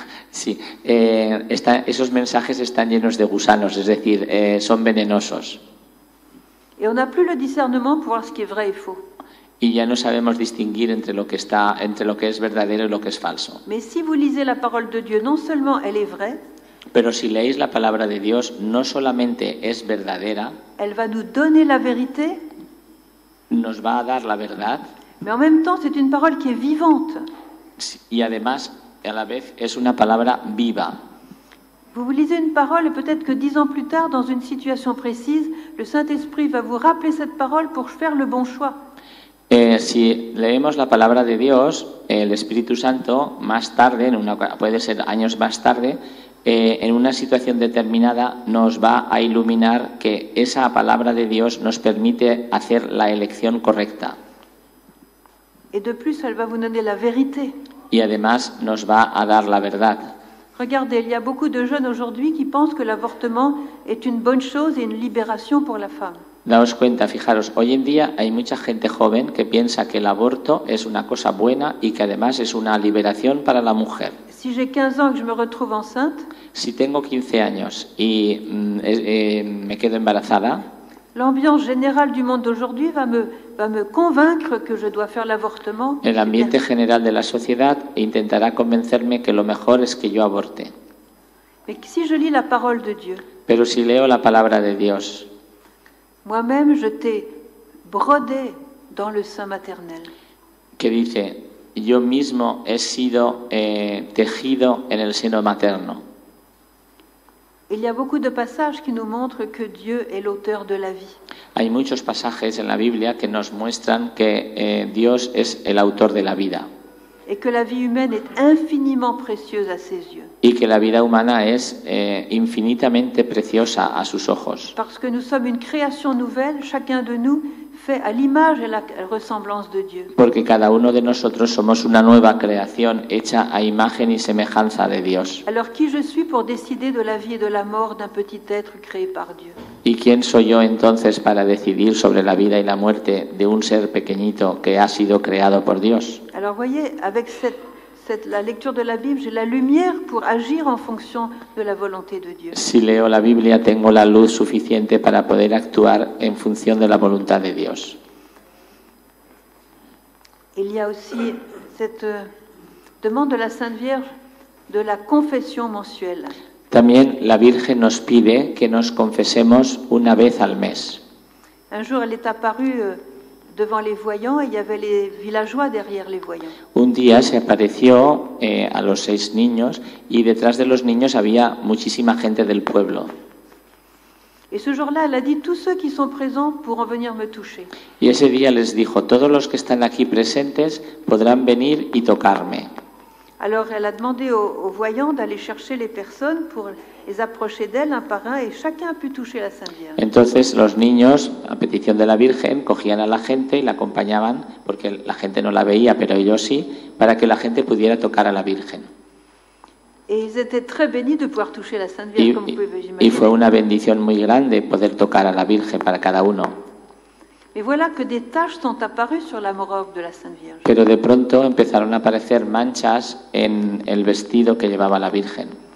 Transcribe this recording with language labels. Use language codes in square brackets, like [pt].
[es] Sí, esos mensajes están llenos de gusanos, es decir, son venenosos. [fr] Et on n'a plus le discernement pour voir ce qui est vrai et faux. [es] Y ya no sabemos distinguir entre lo que es verdadero y lo que es falso. [fr] Mais si vous lisez la parole de Dieu, non seulement elle est vraie. [es] Pero si leéis la palabra de Dios, no solamente es verdadera. [fr] Elle va nous donner la vérité. [es] Nos va a dar la verdad. [fr] Mais en même temps, c'est une parole qui est vivante. [es] Y además, a la vez, es una palabra viva. [fr] Vous lisez une parole et peut-être que 10 ans plus tard, dans une situation précise, le Saint-Esprit va vous rappeler cette parole pour faire le bon choix. [es] Si leemos la palabra de Dios, el Espíritu Santo, más tarde, puede ser años más tarde, en una situación determinada nos va a iluminar que esa palabra de Dios nos permite hacer la elección correcta. [fr] Et de plus, elle va vous donner la vérité. [es] Y además nos va a dar la verdad. [fr] Regardez, il y a beaucoup de jeunes aujourd'hui qui pensent que l'avortement est une bonne chose et une libération pour la femme. [es] Daos cuenta, fijaros, hoy en día hay mucha gente joven que piensa que el aborto es una cosa buena y que además es una liberación para la mujer. [fr] Si j'ai 15 ans et que je me retrouve enceinte, [es] si tengo 15 años y me quedo embarazada, [fr] l'ambiance générale du monde d'aujourd'hui va me convaincre que je dois faire l'avortement. [es] El ambiente general de la sociedad intentará convencerme que lo mejor es que yo aborte. [fr] Mais si je lis la parole de Dieu. [es] Pero si leo la palabra de Dios. [fr] Moi-même, je t'ai brodé dans le sein maternel. [es] Que dice, yo mismo he sido tejido en el seno materno. [fr] Il y a beaucoup de passages qui nous montrent que Dieu est l'auteur de la vie. [es] Hay muchos pasajes en la Biblia que nos muestran que Dios es el autor de la vida. [fr] Et que la vie humaine est infiniment précieuse à ses yeux. [es] Y que la vida humana es infinitamente preciosa a sus ojos. [fr] Parce que nous sommes une création nouvelle, chacun de nous fait à l'image et la ressemblance de Dieu. [es] Porque cada uno de nosotros somos una nueva creación hecha a imagen y semejanza de Dios. [fr] Alors qui je suis pour décider de la vie et de la mort d'un petit être créé par Dieu? [es] ¿Y quién soy yo entonces para decidir sobre la vida y la muerte de un ser pequeñito que ha sido creado por Dios? [fr] Alors voyez, avec la lecture de la Bible, j'ai la lumière pour agir en fonction de la volonté de Dieu. [es] Si leo la Biblia, tengo la luz suficiente para poder actuar en función de la voluntad de Dios. [fr] Il y a aussi cette demande de la Sainte Vierge de la confession mensuelle. [es] También la Virgen nos pide que nos confesemos una vez al mes. [fr] Un jour, elle est apparue devant les voyants, et il y avait les villageois derrière les voyants. [es] Un día se apareció a los 6 niños y detrás de los niños había muchísima gente del pueblo. [fr] Et ce jour-là, elle a dit tous ceux qui sont présents pourront venir me toucher. [es] Y ese día les dijo todos los que están aquí presentes podrán venir y tocarme. [fr] Alors elle a demandé aux voyants d'aller chercher les personnes pour les approcher d'elle un par un et chacun a pu toucher la Sainte Vierge. [es] Entonces los niños, a petición de la Virgen, cogían a la gente y la acompañaban, porque la gente no la veía, pero ellos sí, para que la gente pudiera tocar a la Virgen. [fr] Et ils étaient très bénis de pouvoir toucher la Sainte Vierge, comme vous pouvez imaginer. [es] Y fue una bendición muy grande poder tocar a la Virgen para cada uno. [fr] Et voilà que des taches sont apparues sur la robe de la Sainte Vierge. [es] Pero de pronto empezaron a aparecer manchas en el vestido que llevaba la Virgen.